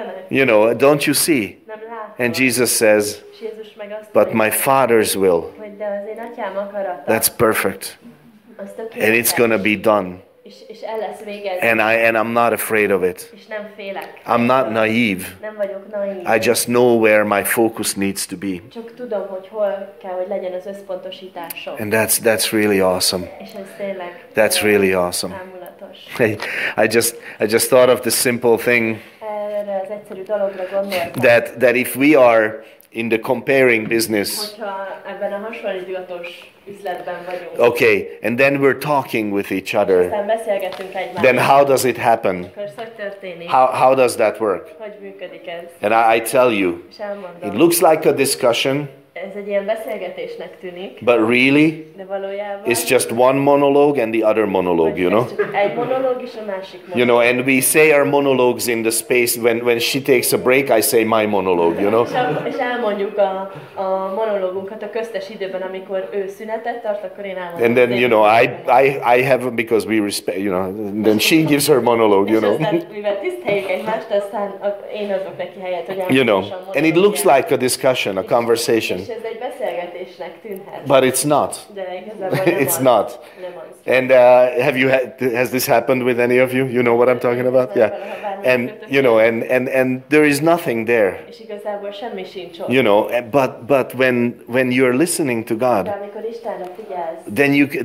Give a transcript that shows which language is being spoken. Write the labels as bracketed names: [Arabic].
[English] You know, don't you see? And Jesus says, but my Father's will [Hungarian] de az én atyám akarata. [English] That's perfect. And it's gonna be done. [Hungarian] És el lesz végezve. [English] And I'm not afraid of it. [Hungarian] És nem félek. [English] I'm not naive. [Hungarian] Nem vagyok naív. [English] I just know where my focus needs to be. [Hungarian] Csak tudom, hogy hol kell, hogy legyen az összpontosításom. [English] And that's really awesome. [Hungarian] És ez tényleg. [English] That's really awesome. I just thought of the simple thing. [Hungarian] Erre az egyszerű dologra gondoltam. [English] That if we are in the comparing business. [Hungarian] Hogyha ebben a hasonlítgatós üzletben vagyunk. [English] Okay, and then we're talking with each other. [Hungarian] Aztán beszélgetünk egymással. [English] Then how does it happen? How does that work? [Hungarian] Hogy működik ez? [English] And I tell you, it looks like a discussion. [Hungarian] Ez egy ilyen beszélgetésnek tűnik. [English] But really, [Hungarian] de valójában, [English] it's just one monologue and the other monologue, you know? [Hungarian] Egy monológ és a másik monológ. [English] You know, and we say our monologues in the space, when she takes a break, I say my monologue, you know? [Hungarian] És elmondjuk a monológunkat a köztes időben, amikor ő szünetet tart, akkor én elmondom. [English] And then, you know, I have, because we respect, you know, then she gives her monologue, you know? [Hungarian] És aztán, mivel tiszteljük egymást, aztán én adok neki helyet, hogy elmondom. [English] You know, and it looks like a discussion, a conversation. [Hungarian] És ez egy beszélgetésnek tűnhet. [English] But it's not. [Hungarian] De igazából nem [English] it's [Hungarian] az. [English] Not. And have you has this happened with any of you? You know what I'm talking about? Yeah. And you know, and there is nothing there. [Hungarian] És igazából semmi sincs ott. [English] You know, but when you're listening to God, [Hungarian] de amikor Istenre figyelsz,